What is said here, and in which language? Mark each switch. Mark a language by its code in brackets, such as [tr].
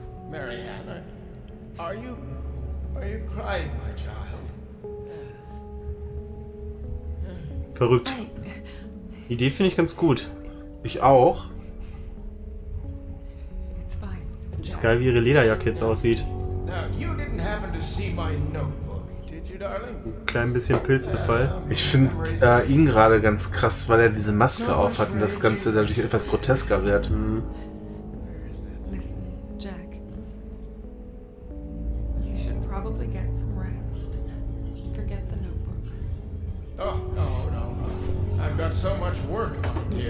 [en] Marianne, are you crying, my child? [de] Verrückt. Die Idee finde ich ganz gut. Ich auch. [en] It's fine. [de] Ist geil, wie ihre Lederjacke jetzt aussieht. [en] Now, you didn't happen to see my notebook, did you, darling? [de] Ein klein bisschen Pilzbefall. Ich finde ihn gerade ganz krass, weil er diese Maske auf hat und das Ganze dadurch etwas grotesker wird. [en] Listen, Jack. You should probably get some rest. Forget the notebook. Oh, no, no, no. I've got so much work, my dear.